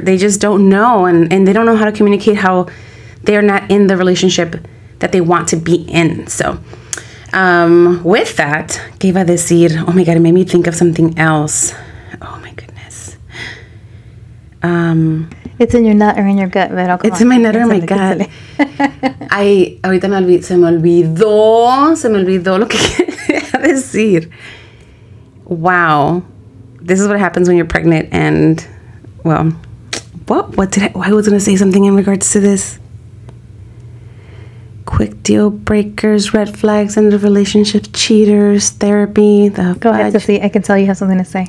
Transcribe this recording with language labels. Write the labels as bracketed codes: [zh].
[en] They just don't know, and they don't know how to communicate how they are not in the relationship that they want to be in. So with that, [es] que iba a decir? [en] Oh my God, it made me think of something else. Oh my goodness. It's in your nut or in your gut, but it's in my nut or my gut. [es] Ahorita se me olvidó lo que iba a decir. [en] Wow. This is what happens when you're pregnant, and, well, I was going to say something in regards to this. Quick deal breakers, red flags, end of relationship, cheaters, therapy. Go ahead, Ceci. I can tell you have something to say.